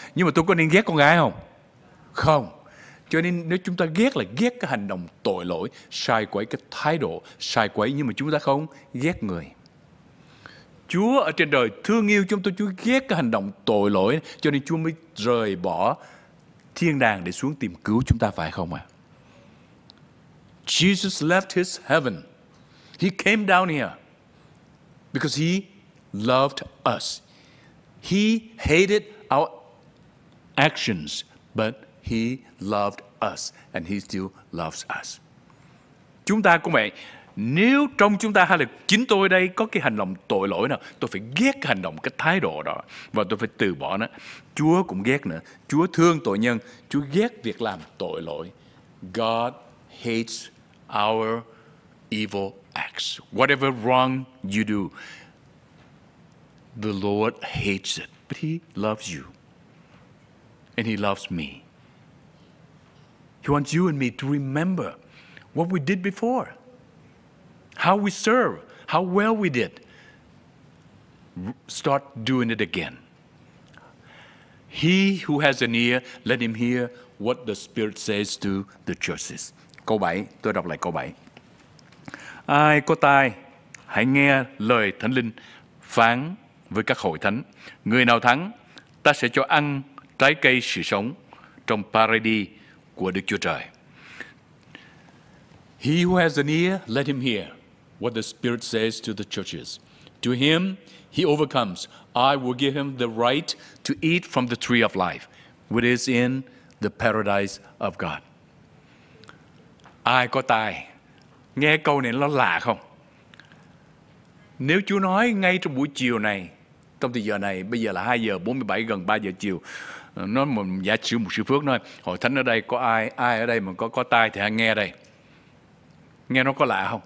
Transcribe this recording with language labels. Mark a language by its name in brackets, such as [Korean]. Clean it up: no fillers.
[Vietnamese] Nhưng mà tôi có nên ghét con gái không? Không. Cho nên nếu chúng ta ghét là ghét cái hành động tội lỗi, sai quấy, cái thái độ sai quấy, nhưng mà chúng ta không ghét người. Chúa ở trên đời thương yêu chúng tôi, Chúa ghét cái hành động tội lỗi, cho nên Chúa mới rời bỏ thiên đàng để xuống tìm cứu chúng ta, phải không ạ? [English] Jesus left his heaven. He came down here because he loved us. He hated our actions, but he loved us and he still loves us. [Vietnamese] Chúng ta cũng vậy. Nếu trong chúng ta hay là chính tôi đây có cái hành động tội lỗi nào, tôi phải ghét cái hành động, cái thái độ đó, và tôi phải từ bỏ nó. Chúa cũng ghét nữa. Chúa thương tội nhân, Chúa ghét việc làm tội lỗi. [English] God hates our evil acts. Whatever wrong you do, the Lord hates it, but he loves you and he loves me. He wants you and me to remember what we did before, how we serve, how well we did. Start doing it again. He who has an ear, let him hear what the Spirit says to the churches. [Vietnamese] Câu 7, tôi đọc lại câu 7. Ai có tai, hãy nghe lời Thánh Linh phán với các hội thánh. Người nào thắng, ta sẽ cho ăn trái cây sự sống trong paradis của Đức Chúa Trời. [English] He who has an ear, let him hear what the Spirit says to the churches. To him, he overcomes. I will give him the right to eat from the tree of life, which is in the paradise of God. [Vietnamese] Ai có tai, nghe câu này nó lạ không? Nếu Chúa nói ngay trong buổi chiều này, trong thời giờ này, bây giờ là 2:47, gần 3 giờ chiều, nó một giả sử một sự phước nói, hội thánh ở đây có ai, ai ở đây mà có tai thì hãy nghe đây. Nghe nó có lạ không?